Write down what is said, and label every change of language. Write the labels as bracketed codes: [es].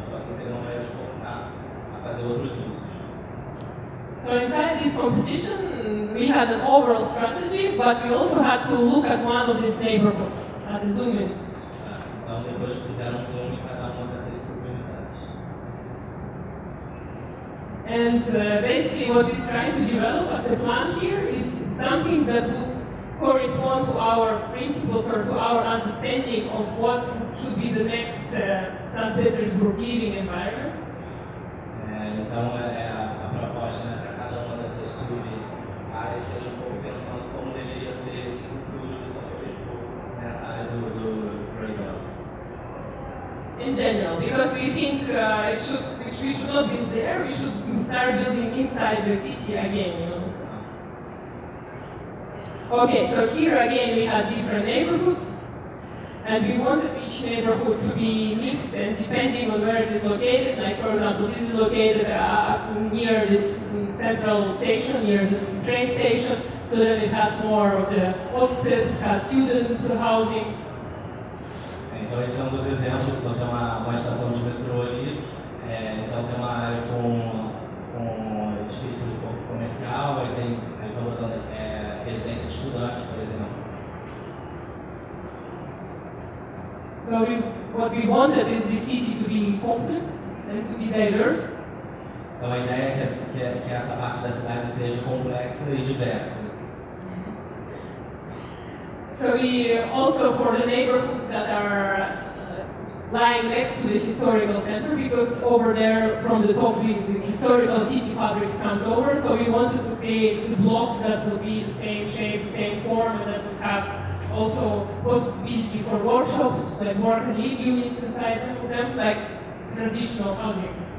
[pt] Então, assim, você não vai forçar a fazer outros usos. [en] So inside this competition, we had an overall strategy, but we also had to look at one of these neighborhoods as a zoom in. [pt] Então, depois fizeram um zoom em cada uma dessas subunidades. [en] And basically what we try to develop as a plan here is something that would correspond to our principles or to our understanding of what should be the next St. Petersburg living environment. [pt] Então é a proposta para cada uma dessas sub-áreas ser um pouco pensando como deveria ser esse futuro de São Petersburgo nessa área do Greenbelt. [en] In general, because we think we should not build there, we should start building inside the city again, you know. Okay, so here again we have different neighborhoods, and we wanted each neighborhood to be mixed, and depending on where it is located, like for example, this is located near this central station, near the train station, so that it has more of the offices, has student housing. [pt] Então esse é um dos exemplos, então tem uma estação de metrô ali, então tem uma área com edifício de corpo comercial, aí tem, aí estão botando residência de estudantes, por exemplo. [en] So what we wanted is the city to be complex and to be diverse. [pt] Então a ideia é que essa parte da cidade seja complexa e diversa. [en] So we also for the neighborhoods that are lying next to the historical center, because over there from the top the historical city fabrics comes over, so we wanted to create the blocks that would be the same shape, the same form, and that would have also possibility for workshops, like work and live units inside of them, like traditional housing.